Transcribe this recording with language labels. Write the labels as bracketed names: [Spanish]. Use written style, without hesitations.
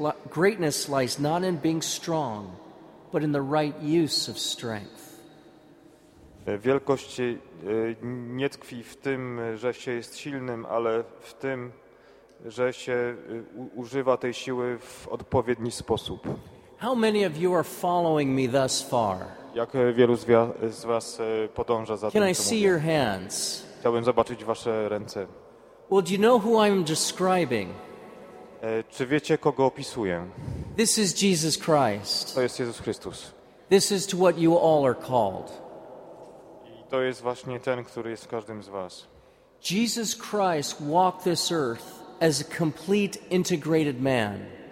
[English] Greatness lies not in being strong, but in the right use of strength. [Polish] Wielkość nie tkwi w tym, że się jest silnym, ale w tym, że się używa tej siły w odpowiedni sposób. [English] How many of you are following me thus far? [Polish] Jak wielu z was podąża za tym? [English] Can I see your hands? [Polish] Chciałbym zobaczyć wasze ręce. [English] Well, do you know who I'm describing? [Polish] Czy wiecie, kogo opisuję? [English] This is Jesus Christ. [Polish] To jest Jezus Chrystus. [English] This is to what you all are called. [Polish] I to jest właśnie ten, który jest w każdym z was. [English] Jesus Christ walked this earth as a complete integrated man.